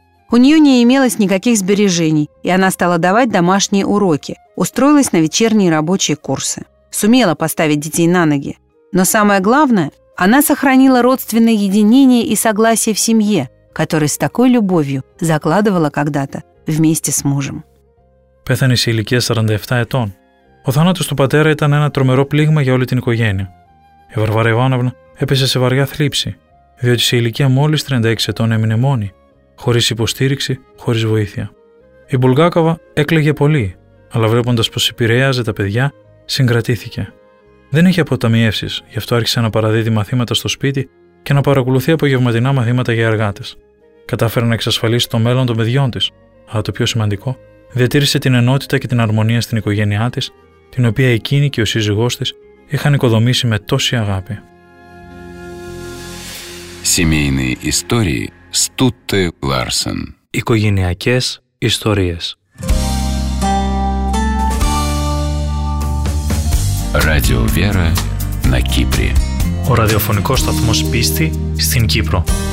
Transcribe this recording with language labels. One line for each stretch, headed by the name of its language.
Russian: У нее не имелось никаких сбережений, и она стала давать домашние уроки, устроилась на вечерние рабочие курсы. Сумела поставить детей на ноги. Но самое главное, она сохранила родственное единение и согласие в семье, который с такой любовью закладывала когда-то вместе с мужем.
Greek: Πέθανε σε ηλικία 47 ετών. Ο θάνατος του πατέρα ήταν ένα τρομερό πλήγμα για όλη την οικογένεια. Η Βαρβάρα Ιβάνοβνα έπεσε σε βαριά θλίψη, διότι σε ηλικία μόλις 36 ετών έμεινε μόνη, χωρίς υποστήριξη, χωρίς βοήθεια. Η Μπουλγάκοβα έκλαιγε πολύ, αλλά βλέποντας πως επηρέαζε τα παιδιά, συγκρατήθηκε. Δεν είχε αποταμιεύσεις, γι' αυτό άρχισε να παραδίδει μαθήματα στο σπίτι και να παρακολουθεί απογευματινά μαθήματα για εργάτες. Κατάφερε να εξασφαλίσει το μέλλον των παιδιών της, αλλά το πιο σημαντικό, διατήρησε την ενότητα και την αρμονία στην οικογένειά της, την οποία εκείνη και ο σύζυγός της είχαν οικοδομήσει με τόση αγάπη.
Russian: Семейные истории Стутте Ларсен.
Greek: Οικογενειακές ιστορίες.
Russian: Radio Vera на Кипре.
Greek: Ο ραδιοφωνικός σταθμός πίστη στην Κύπρο.